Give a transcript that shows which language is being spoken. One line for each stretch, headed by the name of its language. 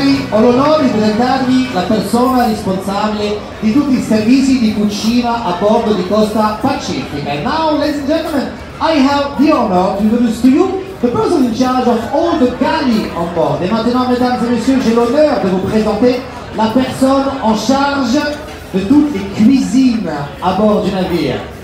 Italian: Ho l'onore di presentarvi la persona responsabile di tutti i servizi di cucina a bordo di Costa Pacifica.
English: And now, ladies and gentlemen, I have the honor to introduce to you the person in charge of all the galley on board.
French: Et maintenant, mesdames et messieurs, j'ai l'honneur de vous présenter la personne en charge de toutes les cuisines à bord du navire.